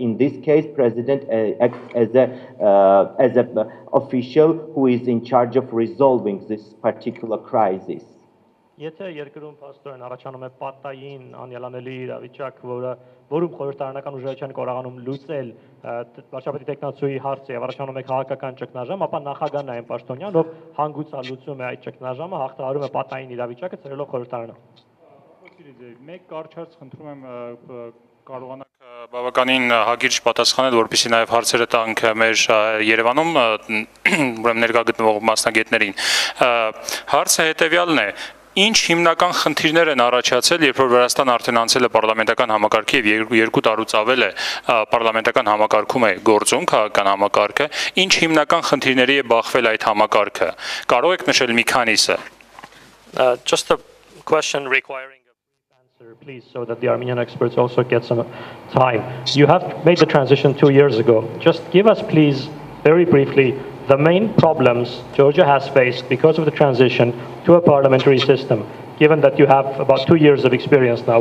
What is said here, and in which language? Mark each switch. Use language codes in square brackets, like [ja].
[en] In this case, president acts as a official who is in charge of resolving this particular crisis. [hy] Եթե երկրում փաստորեն առաջանում է պատային անյալանելի իրավիճակ, որը որում խորհրդարանական ուժերի կարողանում լուծել վարչապետի տեխնացուի հարցը եւ առաջանում է քաղաքական ճգնաժամ, ապա նախագահն այն պաշտոնյանով հանգուցալուծում է այդ ճգնաժամը, հաղթահարում է պատային իրավիճակը ծրելով խորհրդարանը։ Մեկ կարճաց խնդրում եմ կարողանաք բավականին հագիրջ պատասխանել, որպեսզի նաև հարցերը տանք մեր Երևանում ուրեմն ներկա գտնվող մասնագետներին։ Հարցը հետեւյալն է. Ինչ հիմնական խնդիրներ են առաջացել, երբ որ Վրաստան արդեն անցել է պարլամենտական համակարգի եւ 2 տարուց ավել է պարլամենտական համակարգում է գործում քաղաքական համակարգը, ինչ հիմնական խնդիրների է բախվել այդ համակարգը, կարող եք նշել մի քանիսը։ [en] Just a question requiring a brief answer please, so that the Armenian experts also get some time. You have made the transition 2 years ago. Just give us please very briefly the main problems Georgia has faced because of the transition to a parliamentary system, given that you have about 2 years of experience now.